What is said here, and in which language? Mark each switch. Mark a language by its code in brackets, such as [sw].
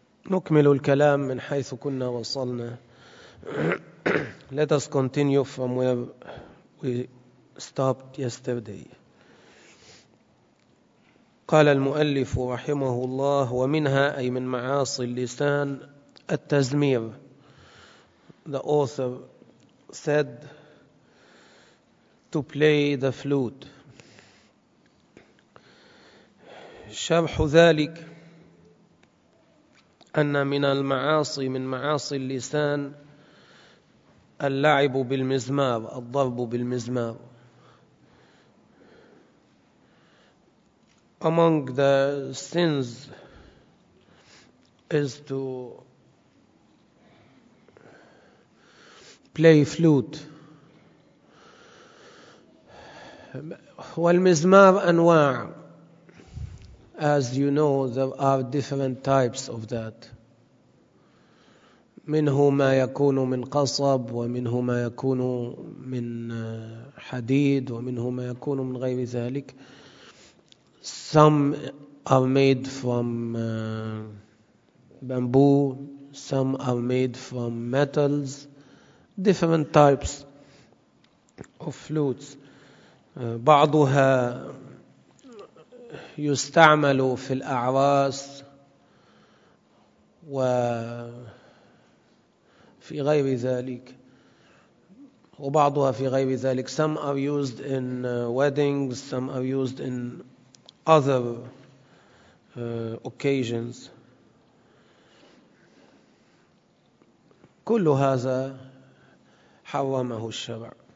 [ar] نكمل الكلام من حيث كنا وصلنا. [en] Let us continue from where we stopped yesterday. [ar] قال المؤلف رحمه الله: ومنها, أي من معاصي اللسان, التزمير. [en] The author said to play the flute. [ar] شرح ذلك أن من المعاصي, من معاصي اللسان, اللعب بالمزمار, الضرب بالمزمار. [en] Among the sins is to play flute. [ar] والمزمار أنواع. [en] As you know, there are different types of that. [ar] منه ما يكون من قصب, ومنه ما يكون من حديد, ومنه ما يكون من غير ذلك. [en] Some are made from bamboo, some are made from metals. Different types of flutes. [ar] بعضها يستعمل في الأعراس وفي غير ذلك, وبعضها في غير ذلك. [en] Some are used in weddings, some are used in other occasions. [ar] كل هذا حرمه الشرع.